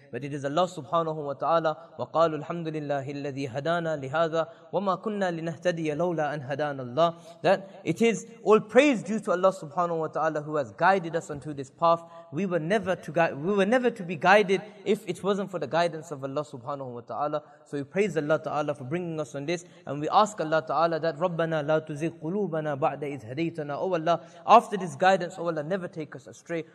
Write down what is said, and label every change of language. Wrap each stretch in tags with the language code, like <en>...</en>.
<en>But it is Allah subhanahu wa ta'ala.</en> <ar>وَقَالُوا الْحَمْدُ لِلَّهِ الَّذِي هَدَانَا لِهَذَا وَمَا كُنَّا لِنَهْتَدِيَ لَوْلَا أَنْ هَدَانَ اللَّهِ.</ar> <en>That it is all praise due to Allah subhanahu wa ta'ala who has guided us onto this path. We were never to be guided if it wasn't for the guidance of Allah subhanahu wa ta'ala. So we praise Allah ta'ala for bringing us on this. And we ask Allah ta'ala that,</en> <ar>رَبَّنَا لَا تُزِغْ قُلُوبَنَا بَعْدَ إِذْ هَدَيْتَنَا.</ar> <en>Oh Allah, after this guidance, oh Allah, never take us astray.</en>